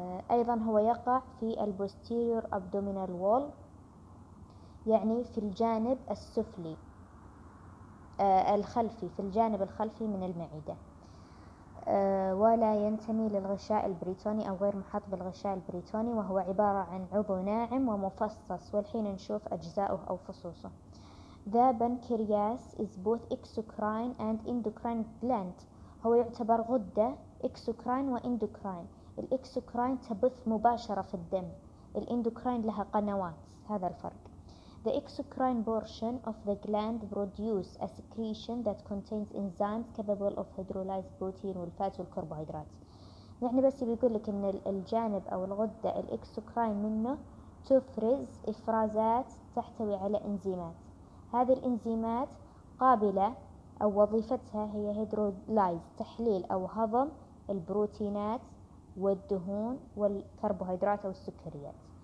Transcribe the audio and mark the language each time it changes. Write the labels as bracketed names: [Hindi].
[Arabic] أيضا هو يقع في البوستيريور أبدومينال وول يعني في الجانب السفلي الخلفي، في الجانب الخلفي من المعدة، ولا ينتمي للغشاء البريتوني أو غير محاط بالغشاء البريتوني، وهو عبارة عن عضو ناعم ومفصص، والحين نشوف أجزاؤه أو فصوصه. [English] The pancreas is both exocrine and endocrine gland. [Arabic] هو يعتبر غدة exocrine وendocrine. الexocrine تبث مباشرة في الدم، الendocrine لها قنوات، هذا الفرق. [English] The exocrine portion of the gland produces a secretion that contains enzymes capable of hydrolyzing protein [Arabic] والفات والكربوهيدرات. يعني بس بيقول لك إن الجانب أو الغدة الexocrine منه تفرز إفرازات تحتوي على إنزيمات. هذه الإنزيمات قابلة أو وظيفتها هي هيدرولايز، تحليل أو هضم البروتينات والدهون والكربوهيدرات أو السكريات.